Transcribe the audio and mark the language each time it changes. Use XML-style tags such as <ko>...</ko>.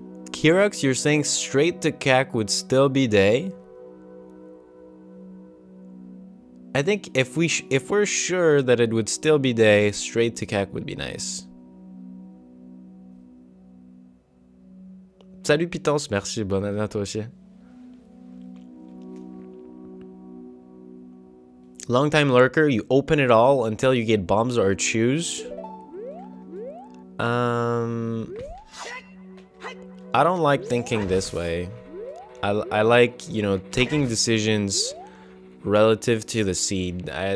<en>Kerox, you're saying straight to CAC would still be day? I think if we're sure that it would still be day, straight to CAC would be nice.</en> <fr>Salut Pitance, merci, bonne année à toi aussi.</fr> <en>Long time lurker, you open it all until you get bombs or chews. I don't like thinking this way. I like, you know, taking decisions relative to the seed.</en>